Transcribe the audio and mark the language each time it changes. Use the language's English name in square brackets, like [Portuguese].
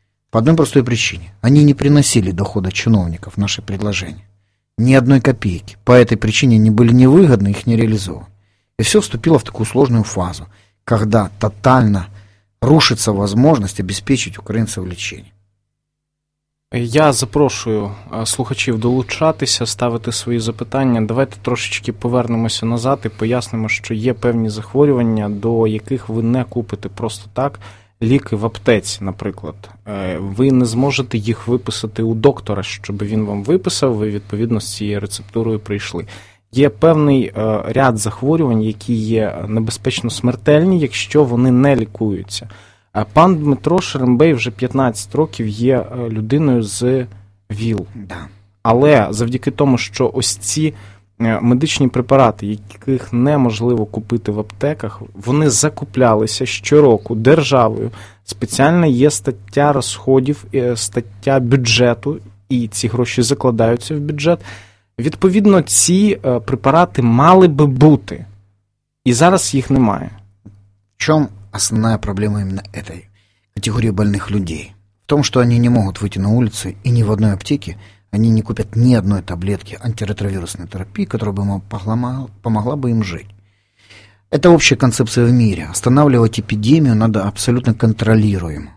[Russian] По одной простой причине. Они не приносили дохода чиновников в наши предложения. Ни одной копейки. По этой причине они были невыгодны, их не реализовано. И все вступило в такую сложную фазу, когда тотально рушится возможность обеспечить украинцев лечение. [Ukrainian] Я запрошую слухачів долучатися, ставити свої запитання. Давайте трошечки повернемося назад і пояснимо, що є певні захворювання, до яких ви не купите просто так ліки в аптеці, наприклад. Ви не зможете їх виписати у доктора, щоб він вам виписав, ви відповідно з цією рецептурою прийшли. Є певний ряд захворювань, які є небезпечно смертельні, якщо вони не лікуються. Пан Дмитро Шерембей вже 15 років є людиною з ВІЛ. [Russian] Да. [Ukrainian] Але завдяки тому, що ось ці медичні препарати, яких неможливо купити в аптеках, вони закуплялися щороку державою. Спеціально є стаття розходів, стаття бюджету, і ці гроші закладаються в бюджет. Відповідно, ці препарати мали би бути. І зараз їх немає. Чому? [Russian] Основная проблема именно этой категории больных людей в том, что они не могут выйти на улицу и ни в одной аптеке они не купят ни одной таблетки антиретровирусной терапии, которая бы помогла бы им жить. Это общая концепция в мире. Останавливать эпидемию надо абсолютно контролируемо.